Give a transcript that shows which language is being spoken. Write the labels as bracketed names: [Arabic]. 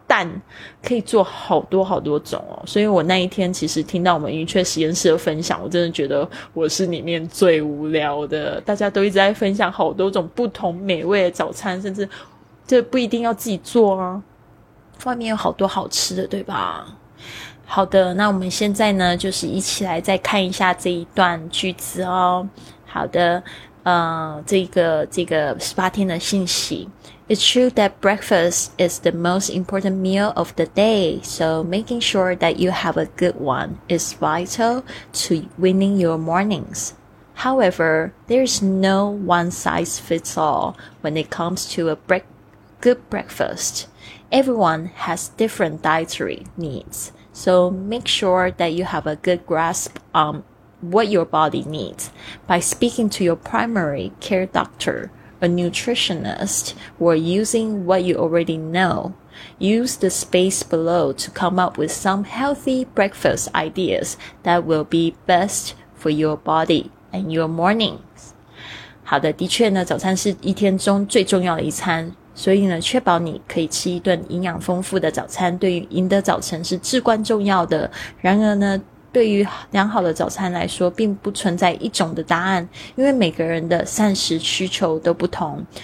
[Chinese] 蛋可以做好多好多种哦，所以我那一天其实听到我们云雀实验室的分享，我真的觉得我是里面最无聊的，大家都一直在分享好多种不同美味的早餐，甚至这不一定要自己做啊，外面有好多好吃的，对吧？好的，那我们现在呢就是一起来再看一下这一段句子哦。好的，这个18天的信息。 [English] It's true that breakfast is the most important meal of the day, so making sure that you have a good one is vital to winning your mornings. However, there's no one size fits all when it comes to a good breakfast. Everyone has different dietary needs. So make sure that you have a good grasp on what your body needs by speaking to your primary care doctor, a nutritionist, or using what you already know. Use the space below to come up with some healthy breakfast ideas that will be best for your body and your mornings. [Chinese] 好的，的确呢，早餐是一天中最重要的一餐。所以呢，确保你可以吃一顿营养丰富的早餐，对于赢得早晨是至关重要的。然而呢，对于良好的早餐来说，并不存在一种的答案，因为每个人的膳食需求都不同。